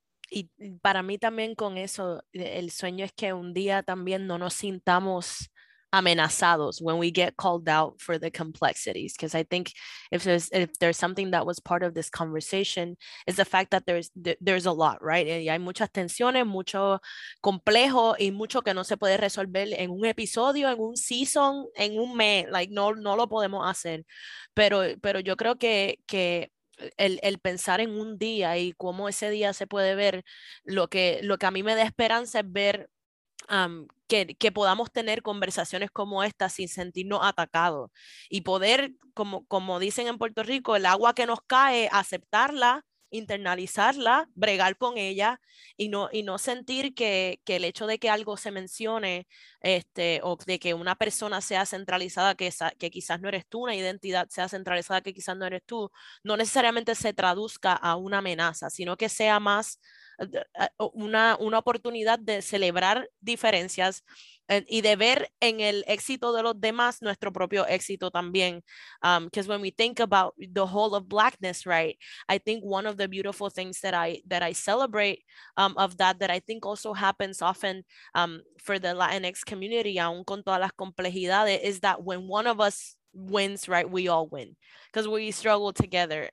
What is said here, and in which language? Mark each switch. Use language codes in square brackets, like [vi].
[es] Y para mí también con eso, el sueño es que un día también no nos sintamos amenazados [en] when we get called out for the complexities. Because I think if there's something that was part of this conversation, it's the fact that there's a lot, right? [es] Y hay muchas tensiones, mucho complejo y mucho que no se puede resolver en un episodio, en un [en] season, [es] en un mes. [en] Like, [es] no lo podemos hacer. Pero yo creo que El pensar en un día y cómo ese día se puede ver, lo que a mí me da esperanza es ver que podamos tener conversaciones como esta sin sentirnos atacados y poder, como dicen en Puerto Rico, el agua que nos cae, aceptarla internalizarla, bregar con ella y no sentir que el hecho de que algo se mencione o de que una persona sea centralizada, que quizás no eres tú, una identidad sea centralizada, que quizás no eres tú, no necesariamente se traduzca a una amenaza, sino que sea más una oportunidad de celebrar diferencias y de ver en el éxito de los demás nuestro propio éxito también. [en] Because when we think about the whole of blackness, right, I think one of the beautiful things that I celebrate of that I think also happens often for the Latinx community, [es] aun con todas las complejidades, [en] is that when one of us wins, right, we all win, because we struggle together.